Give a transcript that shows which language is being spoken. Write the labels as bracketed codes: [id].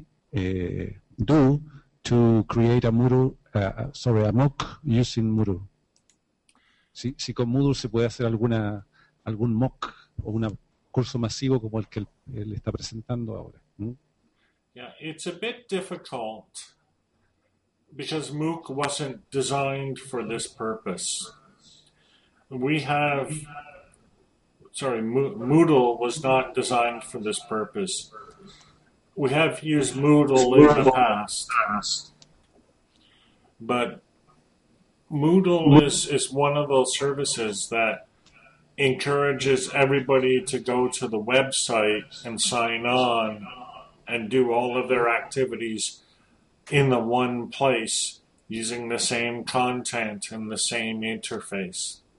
[en] What should we do to create a Moodle? A MOOC using Moodle. [es] Si con Moodle se puede hacer algún MOOC o un curso masivo como el que él está presentando ahora. [en] Yeah, it's a bit difficult because MOOC wasn't designed for this purpose. We have, sorry, Moodle was not designed for this purpose. We have used Moodle in the past, but Moodle is one of those services that encourages everybody to go to the website and sign on and do all of their activities in the one place using the same content and the same interface.